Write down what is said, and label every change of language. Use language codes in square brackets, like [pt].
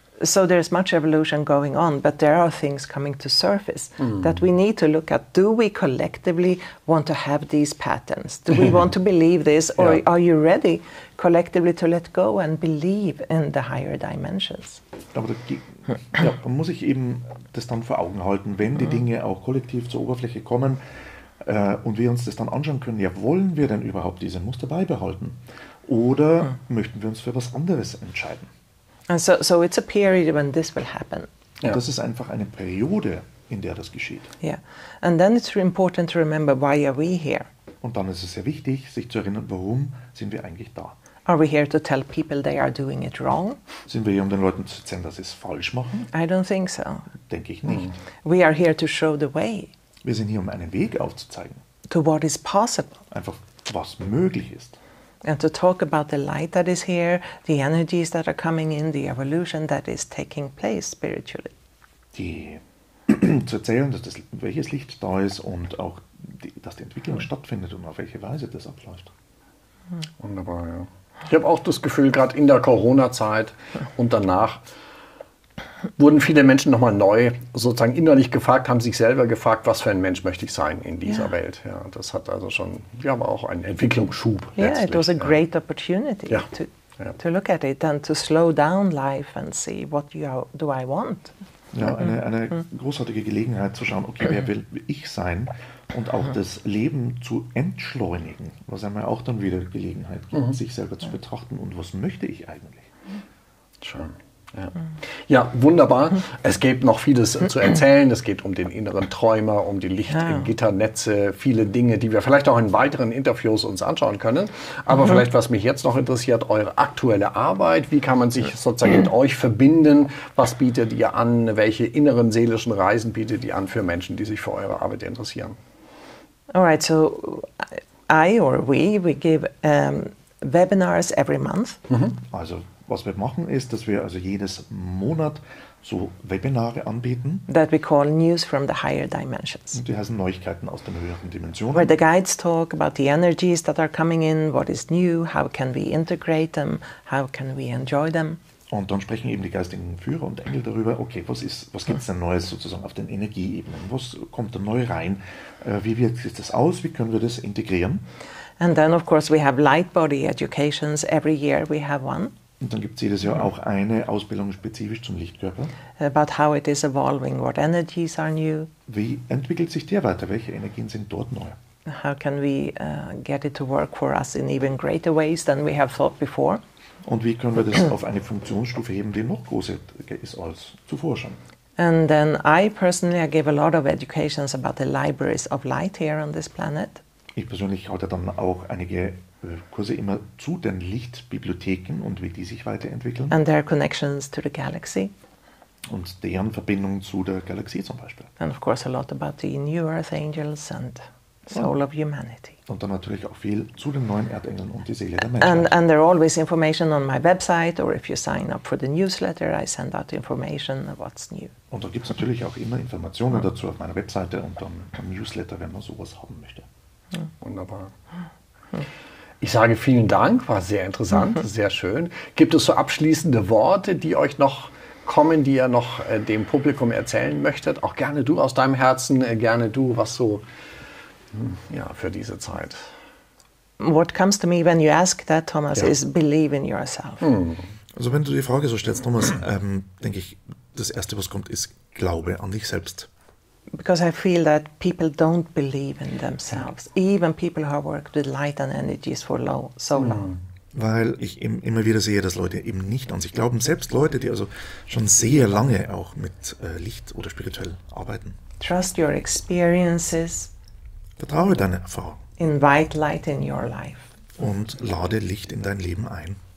[en] So there's much evolution going on, but there are things coming to surface that we need to look at. Do we collectively want to have these patterns? Do we want to believe this? Or are you ready collectively to let go and believe in the higher dimensions? [de] Aber da muss ich eben das dann vor Augen halten, wenn die Dinge auch kollektiv zur Oberfläche kommen, und wir uns das dann anschauen können, ja, wollen wir denn überhaupt diese Muster beibehalten? Oder möchten wir uns für was anderes entscheiden? [en] And so it's a period when this will happen. [de] Und das ist einfach eine Periode, in der das geschieht. [en] Yeah. And then it's important to remember, why are we here? [de] Und dann ist es sehr wichtig, sich zu erinnern, warum sind wir eigentlich da? [en] Are we here to tell people they are doing it wrong? [de] Sind wir hier, um den Leuten zu erzählen, dass sie es falsch machen? [en] I don't think so. [de] Denke ich nicht. [en] We are here to show the way. [de] Wir sind hier, um einen Weg aufzuzeigen. [en] To what is possible. [de] Einfach, was möglich ist. [en] And to talk about the light that is here, the energies that are coming in, the evolution that is taking place spiritually. [de] Die zu erzählen, dass das, welches Licht da ist und auch, dass die Entwicklung stattfindet und auf welche Weise das abläuft. Wunderbar, ja. Ich habe auch das Gefühl, gerade in der Corona-Zeit und danach, wurden viele Menschen nochmal neu sozusagen innerlich gefragt, haben sich selber gefragt, was für ein Mensch möchte ich sein in dieser Welt. Ja, das hat also schon, aber auch einen Entwicklungsschub letztlich. [en] It was a great opportunity to look at it and to slow down life and see what do I want. [de] Ja, eine großartige Gelegenheit zu schauen, okay, wer will ich sein und auch das Leben zu entschleunigen, was einmal auch dann wieder Gelegenheit gibt, sich selber zu betrachten und was möchte ich eigentlich? Schön. Ja, wunderbar. Es gibt noch vieles zu erzählen. Es geht um den inneren Träumer, um die Lichtgitternetze, viele Dinge, die wir vielleicht auch in weiteren Interviews uns anschauen können. Aber vielleicht, was mich jetzt noch interessiert, eure aktuelle Arbeit. Wie kann man sich sozusagen mit euch verbinden? Was bietet ihr an? Welche inneren seelischen Reisen bietet ihr an für Menschen, die sich für eure Arbeit interessieren? [en] All right, so we give webinars every month. [de] Also was wir machen ist, dass wir also jedes Monat so Webinare anbieten. [en] That we call News from the Higher Dimensions. [de] Und die heißen Neuigkeiten aus den höheren Dimensionen. [en] Where the guides talk about the energies that are coming in, what is new, how can we integrate them, how can we enjoy them. [de] Und dann sprechen eben die geistigen Führer und Engel darüber, okay, was gibt es denn Neues sozusagen auf den Energieebenen? Was kommt da neu rein? Wie wirkt sich das aus? Wie können wir das integrieren? [en] And then of course we have Light Body Educations. Every year we have one. [de] Und dann gibt es jedes Jahr auch eine Ausbildung spezifisch zum Lichtkörper. [en] About how it is evolving, what energies are new. [de] Wie entwickelt sich der weiter? Welche Energien sind dort neu? [en] How can we get it to work for us in even greater ways than we have thought before? [de] Und wie können wir das auf eine Funktionsstufe heben, die noch größer ist als zuvor schon? [en] And then I personally, I give a lot of educations about the libraries of light here on this planet. [de] Ich persönlich halte dann auch einige Kurse immer zu den Lichtbibliotheken und wie die sich weiterentwickeln. [en] And their connections to the galaxy. [de] Und deren Verbindung zu der Galaxie zum Beispiel. [en] And of course a lot about the new Earth angels and soul of humanity. [de] Und dann natürlich auch viel zu den neuen Erdengeln und die Seele der Menschheit. [en] And there are always information on my website or if you sign up for the newsletter, I send out information of what's new. [de] Und da gibt es natürlich auch immer Informationen dazu auf meiner Webseite und dann am Newsletter, wenn man sowas haben möchte. Wunderbar. Ich sage vielen Dank, war sehr interessant, sehr schön. Gibt es so abschließende Worte, die euch noch kommen, die ihr noch dem Publikum erzählen möchtet? Auch gerne du aus deinem Herzen, gerne du, was so ja, für diese Zeit. [en] What comes to me when you ask that, Thomas, is believe in yourself. [de] Also wenn du die Frage so stellst, Thomas, denke ich, das Erste, was kommt, ist Glaube an dich selbst. [en] Because I feel that people don't believe in themselves. Even people who have worked with light and energies for so long. [de] Weil ich immer wieder sehe, dass Leute eben nicht an sich glauben. Selbst Leute, die also schon sehr lange auch mit Licht oder spirituell arbeiten. [en] Trust your experiences. [de] Vertraue deine Erfahrung. [en] Invite light in your life. [de] Und lade Licht in dein Leben ein.